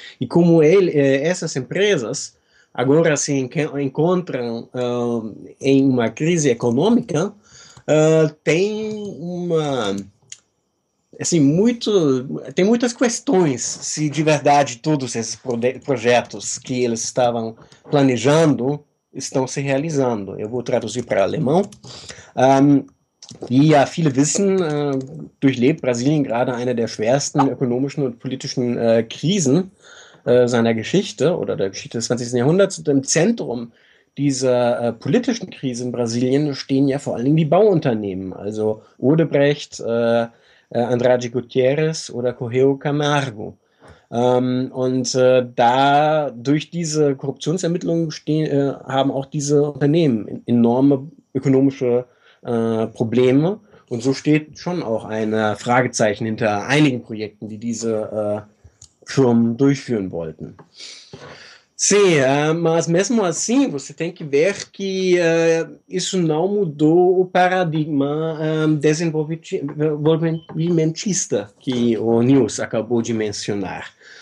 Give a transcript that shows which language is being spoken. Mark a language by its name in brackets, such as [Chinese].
[Portuguese] E como essas empresas agora se encontram em uma crise econômica, tem muitas questões se de verdade todos esses projetos que eles estavam planejando estão se realizando. Eu vou traduzir para alemão. [German] Wie ja viele wissen, durchlebt Brasilien gerade eine der schwersten ökonomischen und politischen Krisen seiner Geschichte oder der Geschichte des 20. Jahrhunderts. Und im Zentrum dieser politischen Krise in Brasilien stehen ja vor allen Dingen die Bauunternehmen, also Odebrecht, Andrade Gutierrez oder Correio Camargo. Durch diese Korruptionsermittlungen haben auch diese Unternehmen enorme ökonomische Probleme. Und so steht schon auch ein Fragezeichen hinter einigen Projekten, die diese Firmen durchführen wollten. [Portuguese] Sim, mas mesmo assim, você tem que ver que isso não mudou o paradigma desenvolvimentista que o Nils acabou de mencionar.